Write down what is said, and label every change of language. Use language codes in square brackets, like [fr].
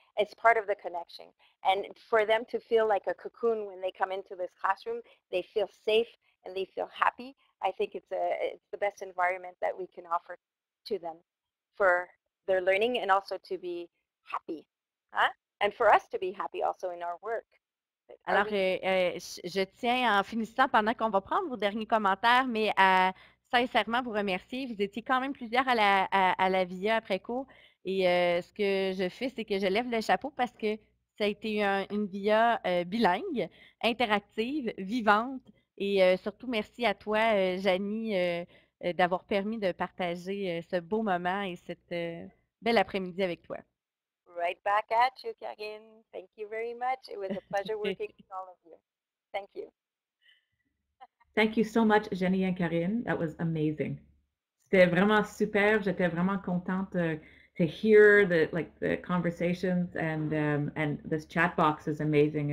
[en] It's part of the connection. And for them to feel like a cocoon when they come into this classroom, they feel safe and they feel happy. I think it's the best environment that we can offer to them for their learning and also to be happy. Hein? And for us to be happy also in our work. [fr] Alors, je tiens en finissant pendant qu'on va prendre vos derniers commentaires, mais à sincèrement vous remercier. Vous étiez quand même plusieurs à la VIA après cours. Et ce que je fais, c'est que je lève le chapeau parce que ça a été une VIA bilingue, interactive, vivante. Et surtout, merci à toi, Janie, d'avoir permis de partager ce beau moment et cette belle après-midi avec toi. [en] Right back at you, Karine. Thank you very much. It was a pleasure working with all of you. Thank you. Thank you so much, Jenny and Karine. That was amazing. [fr] C'était vraiment super. J'étais vraiment contente [en] to hear the conversations and this chat box is amazing.